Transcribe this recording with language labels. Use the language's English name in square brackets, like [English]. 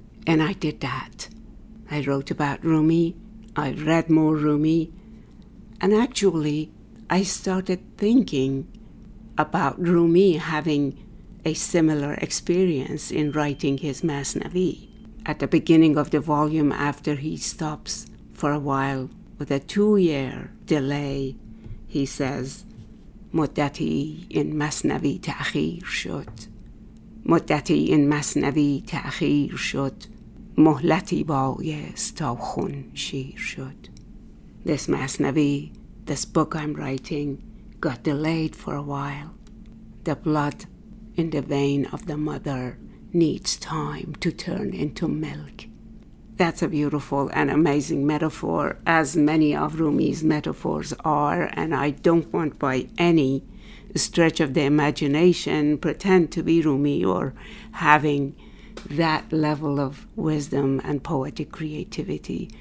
[English] And I did that. I wrote about Rumi, I read more Rumi, and actually I started thinking about Rumi having a similar experience in writing his Masnavi at the beginning of the volume after he stops for a while with a two-year delay. He says, [Persian] مدتی این مسنوی تأخیر شد. مدتی این مسنوی تأخیر شد. مهلتی بایست تا خون شیر شد. [English] This masnavi, this book I'm writing, got delayed for a while. The blood in the vein of the mother needs time to turn into milk. That's a beautiful and amazing metaphor, as many of Rumi's metaphors are, and I don't want by any stretch of the imagination pretend to be Rumi or having that level of wisdom and poetic creativity.